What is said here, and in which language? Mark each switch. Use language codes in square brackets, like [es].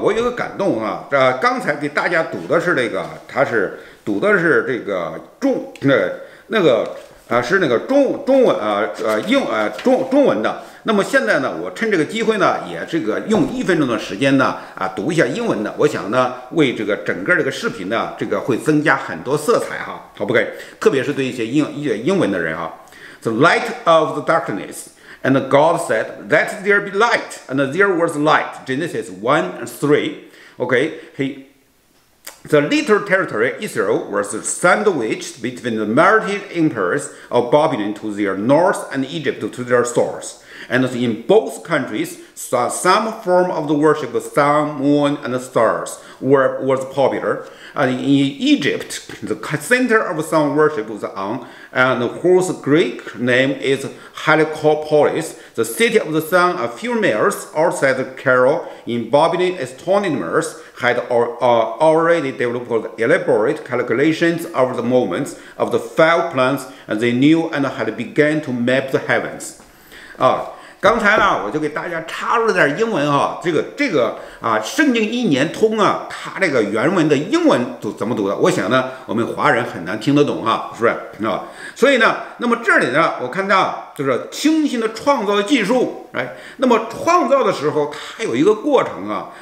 [zh] 我有个感动啊！刚才给大家读的是那个，中文的。那么现在呢，我趁这个机会呢，也这个用一分钟的时间呢，读一下英文的。我想呢，为这个整个这个视频呢，这个会增加很多色彩哈。 OK， 特别是对一些英文的人哈。 [en] The light of the darkness, and God said, "Let there be light," and there was light. Genesis 1:3. OK, The little territory Israel was sandwiched between the mighty empires of Babylon to their north and Egypt to their south. And in both countries, some form of the worship of sun, moon, and stars was popular. And in Egypt, the center of sun worship was On, and whose Greek name is Heliopolis, the city of the sun. A few miles outside the Cairo in Babylon, astronomers had already developed elaborate calculations of the movements of the five planets, and they knew and had begun to map the heavens. [zh] 刚才呢，我就给大家插入了点英文哈。这个圣经一年通啊，它这个原文的英文怎么读的？我想呢，我们华人很难听得懂哈，是不是啊？所以呢，那么这里呢，我看到就是清新的创造的技术，哎，那么创造的时候它有一个过程啊。